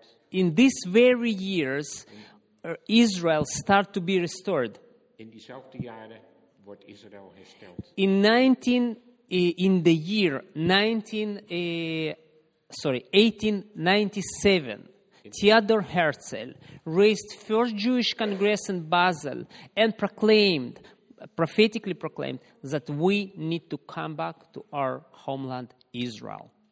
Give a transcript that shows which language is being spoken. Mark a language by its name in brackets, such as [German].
[English] in these very years, Israel start to be restored. [Dutch] In diezelfde jaren wordt Israël hersteld. [English] In 1897, Theodor Herzl raised first Jewish Congress in Basel and prophetically proclaimed that we need to come back to our homeland, Israel.